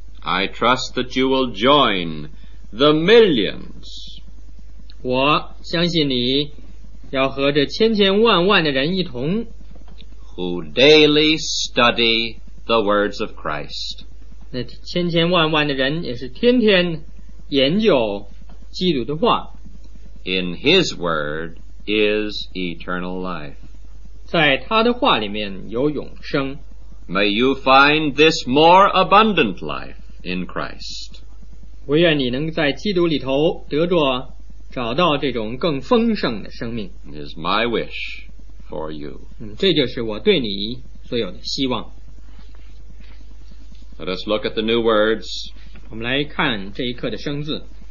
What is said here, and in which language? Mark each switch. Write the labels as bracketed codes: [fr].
[en] I trust that you will join the millions. [zh] 我相信你要和这千千万万的人一同。 [en] Who daily study the words of Christ. [zh] 那千千万万的人也是天天研究基督的话。 [en] In his word,is eternal life. [zh] 在他的话里面有永生。 [en] May you find this more abundant life in Christ. [zh] 唯愿你能在基督里头得着找到这种更丰盛的生命。 [en] Is my wish for you. [zh] 这就是我对你所有的希望。 [en] Let us look at the new words. [zh] 我们来看这一课的生字。